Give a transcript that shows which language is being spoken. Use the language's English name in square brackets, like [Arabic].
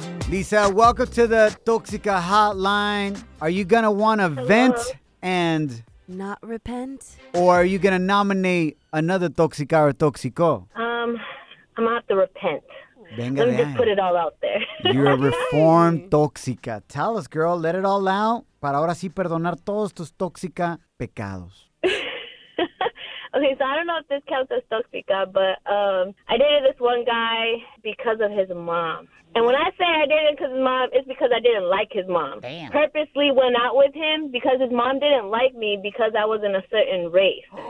[English] Lisa, welcome to the Toxica Hotline. Are you going to want to vent and not repent? Or are you going to nominate another Toxica or Toxico? I'm going to have to repent. [Spanish] Venga, [English] let me just put it all out there. You're a reformed Toxica. Tell us, girl. Let it all out. [Spanish] Para ahora sí perdonar todos tus Toxica pecados. [English] Okay, so I don't know if this counts as Toxica, but I dated this one guy because of his mom. And when I say I dated because of his mom, it's because I didn't like his mom. Damn. Purposely went out with him because his mom didn't like me because I was in a certain race.